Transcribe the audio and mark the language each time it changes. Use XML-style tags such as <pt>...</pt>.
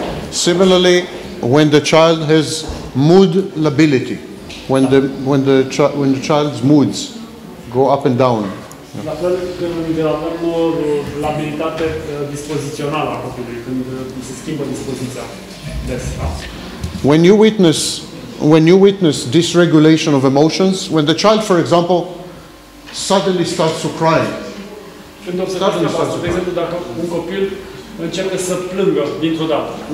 <en>Similarly, when the child has mood lability, when the child's moods go up and down,</en> <ro>La fel, când avem o labilitate dispozițională a copilului, când se schimbă dispoziția des.</ro> <en>When you witness dysregulation of emotions, when the child, for example, suddenly starts to cry.</en> <ro>Când observați că, de exemplu, dacă un copil începe să plângă dintr-o dată,</ro>